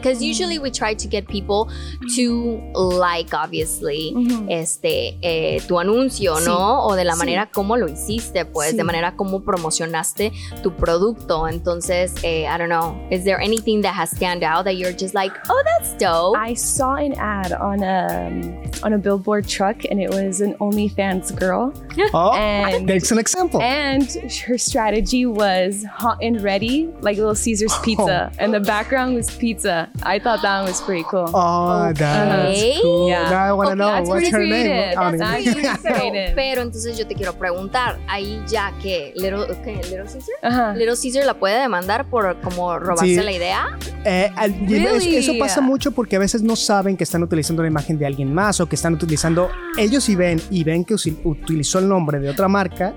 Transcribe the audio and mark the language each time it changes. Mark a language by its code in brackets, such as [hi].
[en] Because usually we try to get people to like, obviously, [es] tu anuncio, sí. ¿no? O de la manera como lo hiciste, pues, de manera como promocionaste tu producto. [en] Entonces, I don't know, is there anything that has stand out that you're just like, oh, that's dope? I saw an ad on a billboard truck, and it was an OnlyFans girl. Oh, that's an example. And her strategy was hot and ready, like Little Caesar's pizza. Pizza. And the background was pizza. I thought that was pretty cool. Oh, that's cool. Yeah. Now I want to know what's her name. That's pretty creative. [es] Pero entonces yo te quiero preguntar, ahí ya que Little Caesar? Uh-huh. Little Caesar la puede demandar por como robarse la idea? [en] Really? [es] Eso pasa mucho porque a veces no saben que están utilizando la imagen de alguien más o que están utilizando ellos y ven que utilizó el nombre de otra marca.